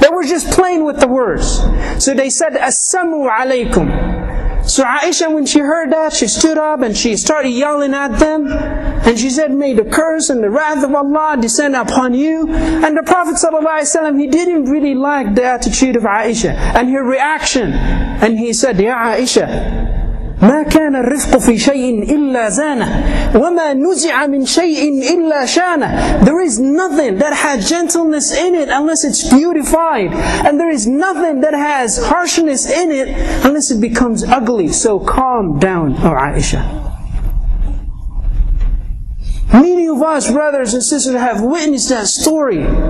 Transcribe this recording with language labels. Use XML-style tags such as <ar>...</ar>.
<en>They were just playing with the words. So they said, "Assamu alaykum." So Aisha, when she heard that, she stood up and she started yelling at them. And she said, "May the curse and the wrath of Allah descend upon you." And the Prophet ﷺ, he didn't really like the attitude of Aisha and her reaction. And he said,</en> <ar>"Ya Aisha, مَا كَانَ الرِّفْقُ فِي شَيْءٍ إِلَّا زَانَهُ وَمَا نُزِعَ مِنْ شَيْءٍ إِلَّا شَانَهُ."</ar> <en>There is nothing that has gentleness in it unless it's beautified. And there is nothing that has harshness in it unless it becomes ugly. So calm down, O Aisha. Many of us brothers and sisters have witnessed that story.</en>